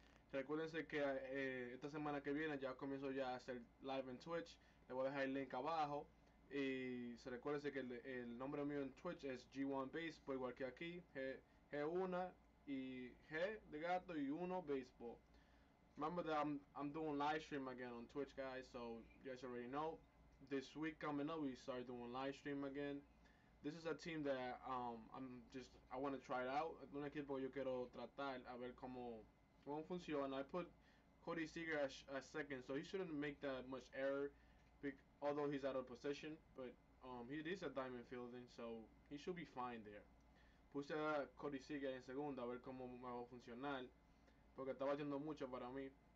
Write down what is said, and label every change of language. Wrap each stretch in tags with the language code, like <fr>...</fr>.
<es>Recuérdense que esta semana que viene ya comienzo ya a hacer live en Twitch. Le voy a dejar el link abajo. Y se recuerden que el nombre mío en Twitch es G1 Baseball, igual que aquí, G1 y G de gato y 1 Baseball.</es> <en>Remember that I'm doing live stream again on Twitch, guys, so you guys already know. This week coming up, we start doing live stream again. This is a team that I want to try it out.</en> <es>Un equipo yo quiero tratar a ver cómo funciona.</es> <en>I put Cody Seager as a second, so he shouldn't make that much error. Although he's out of position, but he is a diamond fielding, so he should be fine there.</en> <es>Puse a Cody Seager en segunda, a ver cómo me va a funcionar, porque estaba haciendo mucho para mí.</es>